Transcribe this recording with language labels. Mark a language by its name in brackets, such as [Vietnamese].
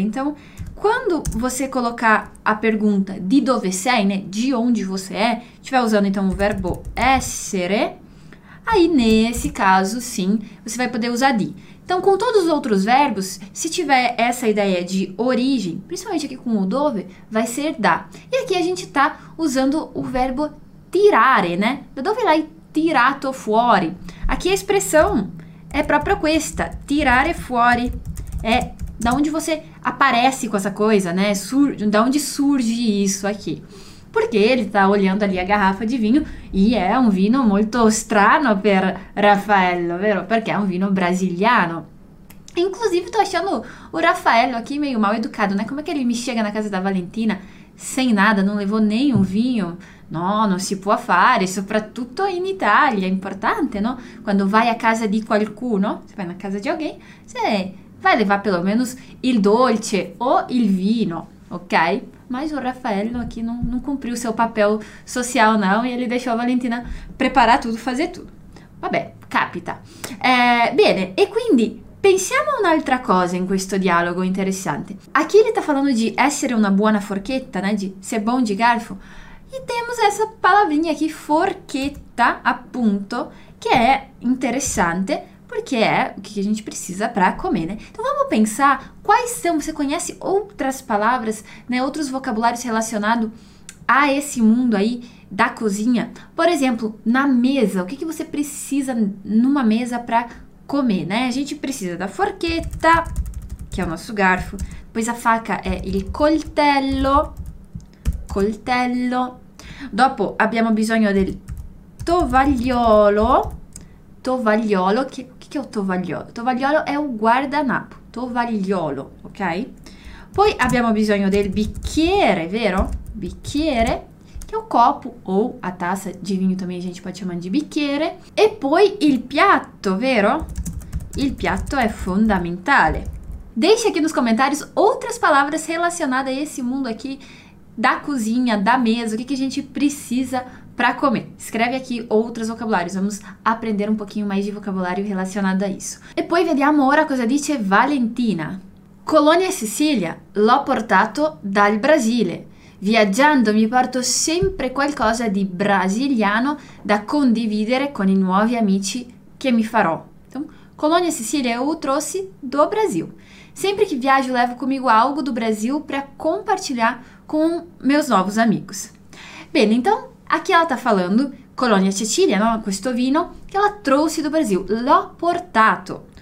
[Portuguese] Então, quando você colocar a pergunta di dove sei, né, de onde você é, estiver usando então o verbo essere, Aí, nesse caso, sim, você vai poder usar di. Então, com todos os outros verbos, se tiver essa ideia de origem, principalmente aqui com o dove, vai ser da. E aqui a gente está usando o verbo tirare, né? [Italian] Da dove l'hai tirato fuori? [Portuguese] Aqui a expressão é própria questa, tirare fuori. É da onde você aparece com essa coisa, né? Da onde surge isso aqui. Porque ele está olhando ali a garrafa de vinho e é um vinho muito estranho para Raffaello, vero? Porque é um vinho brasiliano. Inclusive, estou achando o Raffaello aqui meio mal educado, né? Como é que ele me chega na casa da Valentina sem nada, não levou nenhum vinho? [Italian] Não se può fare, soprattutto in Italia. [Portuguese] É importante, não? Quando vai à casa de qualcuno, você vai na casa de alguém, você vai levar pelo menos il dolce ou il vino, ok? Mas o Raffaello aqui não cumpriu seu papel social, não. E ele deixou a Valentina preparar tudo, fazer tudo. [Italian] Vabbè, capita. Bene, e quindi, pensiamo a un'altra cosa in questo dialogo interessante. [Portuguese] Aqui ele está falando de essere una buona forchetta, né? De ser bom de garfo. E temos essa palavrinha aqui, forchetta, appunto, que é interessante, porque é o que a gente precisa para comer, né? Então, vamos pensar quais são... Você conhece outras palavras, né? Outros vocabulários relacionados a esse mundo aí da cozinha? Por exemplo, na mesa. O que, que você precisa numa mesa para comer, né? A gente precisa da forchetta, que é o nosso garfo. Depois, a faca é il coltello. Coltello. [Italian] Dopo, abbiamo bisogno del tovagliolo. Tovagliolo, che è il tovagliolo? Tovagliolo è un guardanapo, tovagliolo, ok? Poi abbiamo bisogno del bicchiere, vero? Bicchiere, che è un copo, o a tassa di vino, [Portuguese] também a gente pode [Italian] chiamare di bicchiere. E poi il piatto, vero? Il piatto è fondamentale. [Portuguese] Deixa aqui nos comentários outras palavras relacionadas a esse mundo aqui da cozinha, da mesa, o que a gente precisa para comer. Escreve aqui outros vocabulários. Vamos aprender um pouquinho mais de vocabulário relacionado a isso. [Italian] E poi vediamo ora cosa dice Valentina. Colonia Sicilia, l'ho portato dal Brasile. Viaggiando mi porto sempre qualcosa di brasiliano da condividere con i nuovi amici che mi farò. [Portuguese] Então, Colonia Sicilia eu trouxe do Brasil. Sempre que viajo levo comigo algo do Brasil para compartilhar com meus novos amigos. Bene, então aqui ela está falando, Colonia Sicilia, no? [Italian] Questo vino [Portuguese] que ela trouxe do Brasil, l'ho portato.